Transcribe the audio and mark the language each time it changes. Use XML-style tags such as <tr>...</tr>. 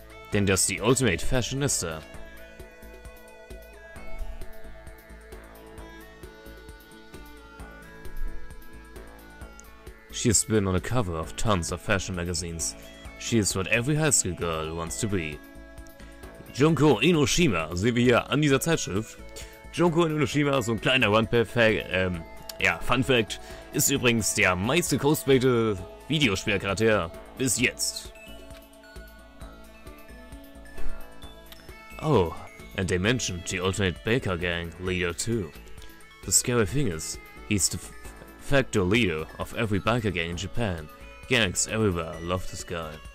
<en>Then there's the ultimate fashionista. She's been on the cover of tons of fashion magazines. She is what every high school girl wants to be.</en> <de>Junko Inoshima sehen wir hier an dieser Zeitschrift. Junko Inoshima, so ein kleiner Fun Fact, ist übrigens der meiste cosplayte Videospielcharakter bis jetzt.</de> <en>Oh, and they mentioned the Ultimate Baker Gang leader too. The scary thing is, he's the facto leader of every biker gang in Japan. Gangs everywhere love this guy.</en>